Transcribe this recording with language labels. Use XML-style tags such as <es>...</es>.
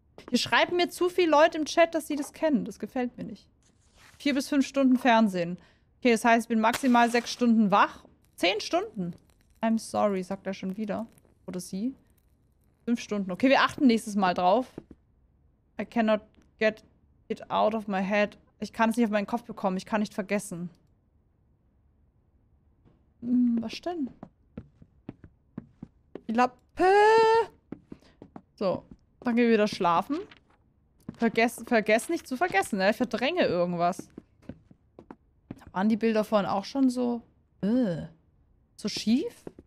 <de>Hier schreiben mir zu viele Leute im Chat, dass sie das kennen. Das gefällt mir nicht. 4 bis 5 Stunden Fernsehen. Okay, das heißt, ich bin maximal 6 Stunden wach. 10 Stunden.</de> <en>I'm sorry,</en> <de>sagt er schon wieder. Oder sie. 5 Stunden. Okay, wir achten nächstes Mal drauf.</de> <en>I cannot get it out of my head.</en> <de>Ich kann es nicht auf meinen Kopf bekommen. Ich kann nicht vergessen. Was denn? Die Lappe. So. Dann gehen wir wieder schlafen. Vergesst nicht zu vergessen, ne? Ich verdränge irgendwas. Waren die Bilder vorhin auch schon so... So schief?</de>